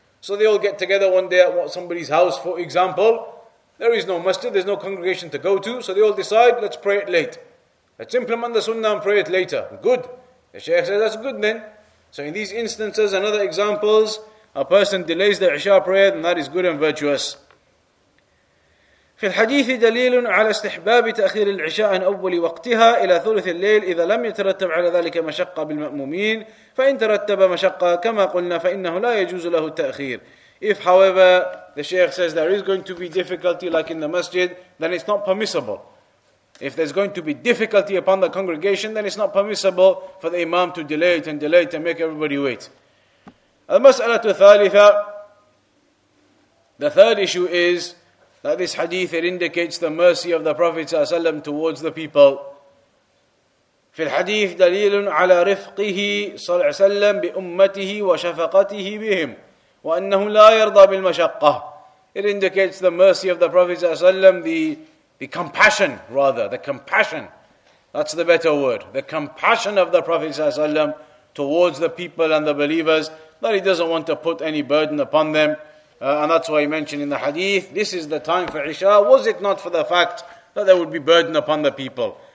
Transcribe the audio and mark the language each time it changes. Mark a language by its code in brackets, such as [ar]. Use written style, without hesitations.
[en] So they all get together one day at somebody's house, for example. There is no masjid, there's no congregation to go to, so they all decide, let's pray it late. Let's implement the sunnah and pray it later. Good. The Shaykh says, that's good then. So in these instances and other examples, a person delays the Isha prayer, and that is good and virtuous. [ar] في الحديث دليل على استحباب تأخير العشاء عن أول وقتها إلى ثلث الليل إذا لم يترتب على ذلك مشقة بالمأمومين فإن ترتب مشقة كما قلنا فإنه لا يجوز له التأخير. [en] If however the Shaykh says there is going to be difficulty like in the masjid, then it's not permissible. If there's going to be difficulty upon the congregation, then it's not permissible for the imam to delay it and delay it and make everybody wait. [ar] المسألة الثالثة. [en] The third issue is that this hadith, it indicates the mercy of the Prophet ﷺ towards the people. [ar] في الحديث دليل على رفقه صلى الله عليه وسلم بأمته وشفقته بهم وأنه لا يرضى بالمشقة. [en] It indicates the mercy of the Prophet ﷺ, the compassion, that's the better word, the compassion of the Prophet ﷺ towards the people and the believers, that he doesn't want to put any burden upon them. And that's why he mentioned in the hadith, this is the time for Isha, was it not for the fact that there would be burden upon the people?